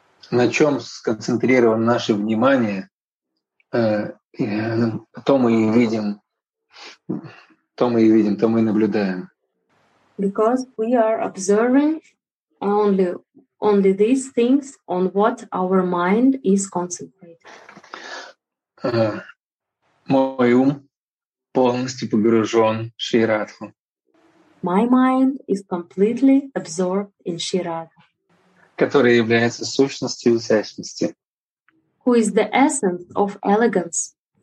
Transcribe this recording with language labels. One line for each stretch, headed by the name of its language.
Russian: На чем сконцентрировано наше внимание, то мы и видим, то мы и наблюдаем.
English: Because we are observing only these things on what our mind is concentrated.
Russian: Мой ум полностью погружен в Шри Радху.
English: My mind is completely absorbed in Шри Радху.
Russian: Которая является сущностью изящности.
English: Who is the essence of elegance?